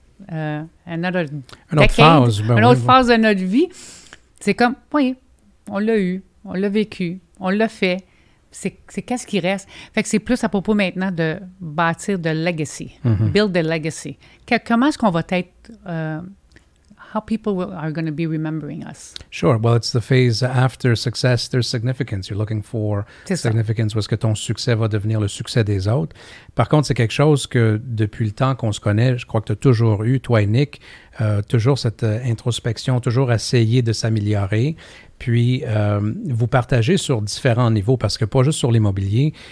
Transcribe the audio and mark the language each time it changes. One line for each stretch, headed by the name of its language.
French: Une autre phase. Phase de notre vie, c'est comme « Oui, on l'a eu, on l'a vécu, on l'a fait. C'est qu'est-ce qui reste? Fait que c'est plus à propos maintenant de bâtir de legacy, mm-hmm.
English: build a legacy.
French: Comment est-ce qu'on va être...
English: how people are going to be remembering us? Sure. Well, it's the phase after success, there's significance. You're looking for significance.
French: Où est-ce que ton succès va devenir le succès des autres? Par contre, c'est quelque chose que depuis le temps qu'on se connaît, je crois que tu as toujours eu, toi et Nick, toujours cette introspection, toujours essayer de s'améliorer. Puis, vous partagez sur différents niveaux, parce que pas juste sur l'immobilier.